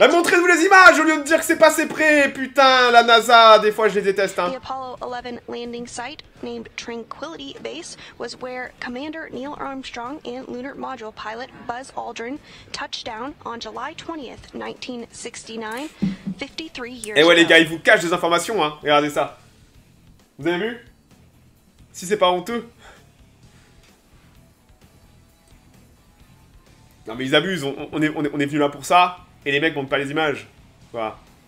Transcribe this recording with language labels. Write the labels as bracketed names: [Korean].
[French] Bah, montrez-nous les images au lieu de dire que c'est passé près. Putain, la NASA, des fois je les déteste. Hein. [English] The Apollo 11 landing site, named Tranquility Base, was where Commander Neil Armstrong and Lunar Module Pilot Buzz Aldrin touched down on July 20th, 1969. 63 years [French] et ouais les gars, ils vous cachent des informations, hein. Regardez ça. Vous avez vu? Si c'est pas honteux. Non mais ils abusent. On est venu là pour ça. Et les mecs montrent pas les images. Voilà.